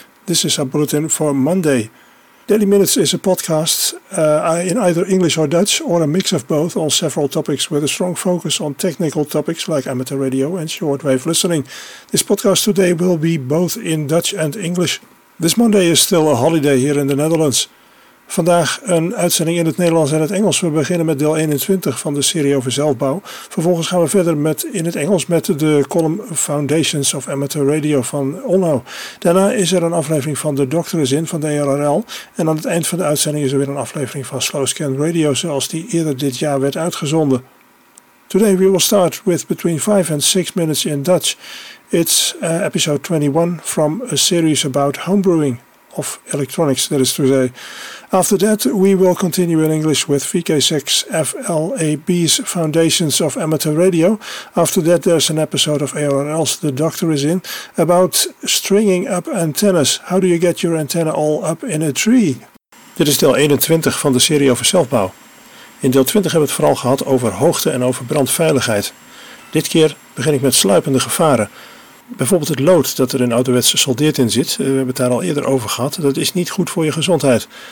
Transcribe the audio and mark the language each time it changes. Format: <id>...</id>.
<en>This is a bulletin for Monday. Daily Minutes is a podcast in either English or Dutch, or a mix of both, on several topics with a strong focus on technical topics like amateur radio and shortwave listening. This podcast today will be both in Dutch and English. This Monday is still a holiday here in the Netherlands.</en> <nl>Vandaag een uitzending in het Nederlands en het Engels. We beginnen met deel 21 van de serie over zelfbouw. Vervolgens gaan we verder met in het Engels met de column Foundations of Amateur Radio van Onno. Daarna is er een aflevering van The Doctor is In van de ERRL. En aan het eind van de uitzending is er weer een aflevering van Slow Scan Radio zoals die eerder dit jaar werd uitgezonden.</nl> <en>Today we will start with between 5 and 6 minutes in Dutch. It's episode 21 from a series about homebrewing. Of electronics, that is to say. After that, we will continue in English with VK6FLAB's Foundations of Amateur Radio. After that, there's an episode of ARRL's The Doctor is In about stringing up antennas. How do you get your antenna all up in a tree?</en> <nl>Dit is deel 21 van de serie over zelfbouw. In deel 20 hebben we het vooral gehad over hoogte en over brandveiligheid. Dit keer begin ik met sluipende gevaren. Bijvoorbeeld het lood dat er in ouderwets soldeert in zit, we hebben het daar al eerder over gehad, dat is niet goed voor je gezondheid.</nl>